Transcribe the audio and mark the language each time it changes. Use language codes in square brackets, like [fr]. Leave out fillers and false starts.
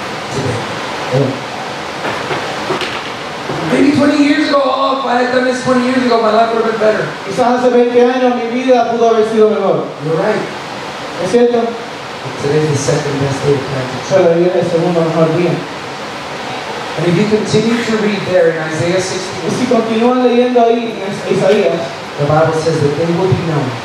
[en] Today. Maybe 20 years ago, oh, if I had done this 20 years ago, my life would have been better. [es] Quizás hace 20 años mi vida pudo haber sido mejor. [en] You're right. [es] ¿Es cierto? [en] But today's the second best day to plant a tree. [es] Pero hoy es el segundo mejor día. [en] And if you continue to read there in Isaiah 16, [es] si continúan leyendo ahí en Isaías, [en] the Bible says that they will be known.